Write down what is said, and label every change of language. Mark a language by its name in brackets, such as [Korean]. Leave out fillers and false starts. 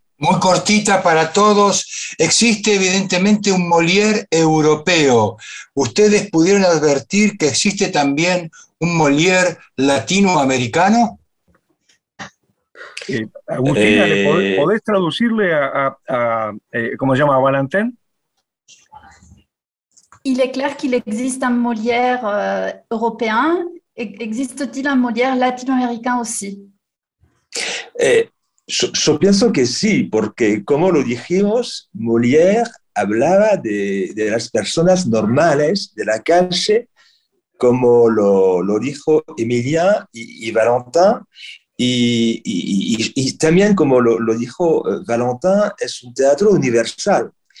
[Spanish] Muy cortita para todos. Existe evidentemente un Molière europeo. ¿Ustedes pudieron advertir que existe también un Molière latinoamericano? Agustina, ¿podés traducirle a Valentin? [French] Il est clair qu'il existe un Molière européen. Existe-t-il un Molière latino-américain aussi? [Spanish] Yo pienso que sí, porque como lo dijimos, Molière hablaba de las personas normales de la calle, como lo dijo Emilien y Valentin. Y también, como lo dijo Valentín, es un teatro universal.